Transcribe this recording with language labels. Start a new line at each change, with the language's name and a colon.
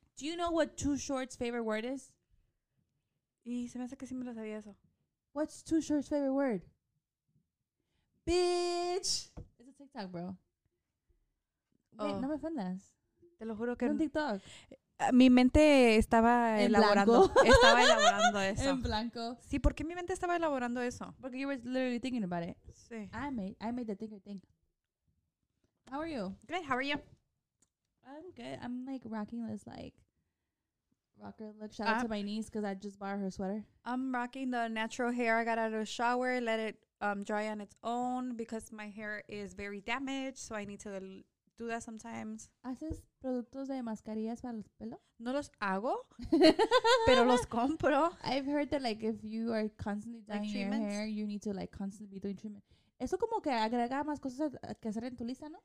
English: Do you know what Too Short's favorite word is?
Spanish: Y se me hace que sí me lo sabía eso.
English: What's Too Short's favorite word? Bitch. It's a TikTok, bro. Wait,
Spanish: no me ofendas. Te lo juro que no. Un TikTok. Mi mente estaba elaborando. Estaba elaborando eso. En blanco. Sí, ¿por qué mi mente estaba elaborando eso? Porque
English: you were literally thinking about it.
Spanish: Sí.
English: I made the thinker think. How are you? Good. How are you? I'm good. I'm like rocking this like rocker look. Shout out to my niece because I just bought her sweater. I'm rocking the natural hair I got out of the shower. Let it dry on its own because my hair is very damaged. So I need to do that sometimes.
Spanish: ¿Haces productos de mascarillas para los pelos? No los hago, pero los compro.
English: I've heard that like if you are constantly dying like your hair, you need to like constantly be doing treatment.
Spanish: Eso como que agrega más cosas que hacer en tu lista, ¿no?